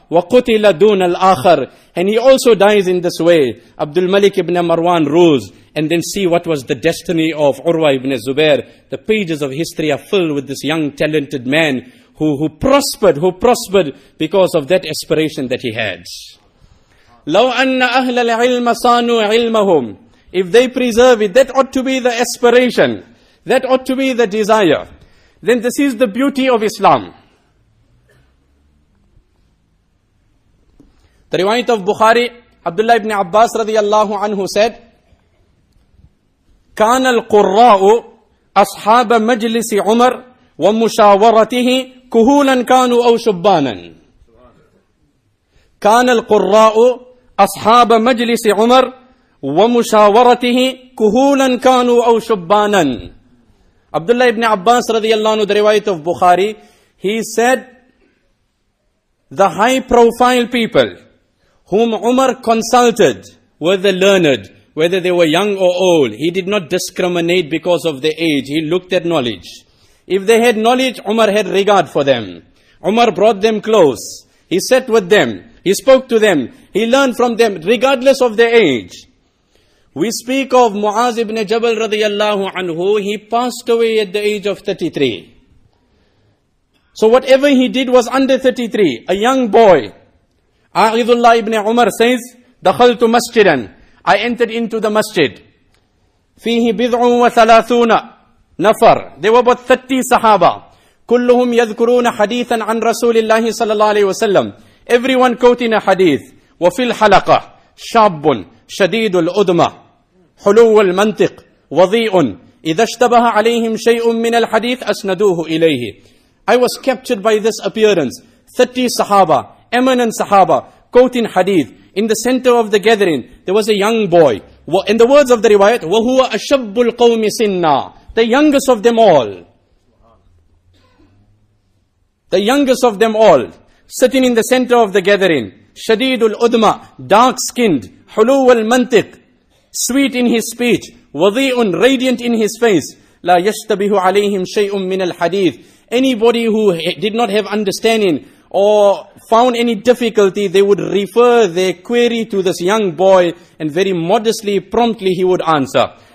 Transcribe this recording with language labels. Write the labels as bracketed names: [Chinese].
[Arabic] وَقُتِلَ دُونَ الْآخَرِ. [English] And he also dies in this way. Abdul Malik ibn Marwan rules. And then see what was the destiny of Urwa ibn Zubair. The pages of history are filled with this young talented man who prospered because of that aspiration that he had. [Arabic] لو أن أهل العلم صانوا علمهم. [English] If they preserve it, that ought to be the aspiration. That ought to be the desire. Then this is the beauty of Islam. The riwayat of Bukhari, Abdullah ibn Abbas radiallahu anhu said, [Arabic] كان القراء أصحاب مجلس عمر ومشاورته كهولا كانوا أو شبانا. كان القراء أصحاب مجلس عمر ومشاورته كهولا كانوا أو شبانا. [English] Abdullah ibn Abbas radiallahu anhu, the riwayat of Bukhari, he said, the high profile people whom Umar consulted were the learned, whether they were young or old. He did not discriminate because of their age. He looked at knowledge. If they had knowledge, Umar had regard for them. Umar brought them close. He sat with them. He spoke to them. He learned from them, regardless of their age. We speak of Muaz ibn Jabal radiallahu anhu. He passed away at the age of 33. So whatever he did was under 33, a young boy. A'idullah ibn Umar says, [Arabic] دخلت مسجدا. [English] I entered into the masjid. [Arabic] فيه بضع وثلاثون نفر. [English] There were about 30 sahaba. [Arabic] كلهم يذكرون حديثا عن رسول الله صلى الله عليه وسلم. [English] Everyone quoting a hadith. [Arabic] وفي الحلقة شاب شديد الأدمى حلو المنطق وضيء إِذَا اشْتَبَهَ عَلَيْهِمْ شَيْءٌ مِّنَ الْحَدِيثِ أَسْنَدُوهُ إِلَيْهِ. [English] I was captured by this appearance. 30 Sahaba, eminent Sahaba, quoting hadith. In the center of the gathering, there was a young boy. In the words of the riwayat, [Arabic] وَهُوَ أَشَبُّ الْقَوْمِ سِنَّا. [English] The youngest of them all. The youngest of them all, sitting in the center of the gathering. [Arabic] شَدِيدُ الْأُدْمَى, [English] dark-skinned. [Arabic] حُلُوَ الْمَنْتِقْ, [English] sweet in his speech. [Arabic] وَضِيءٌ, [English] radiant in his face. [Arabic] لَا يَشْتَبِهُ عَلَيْهِمْ شَيْءٌ مِّنَ الْحَدِيثِ. [English] Anybody who did not have understanding or found any difficulty, they would refer their query to this young boy, and very modestly, promptly, he would answer.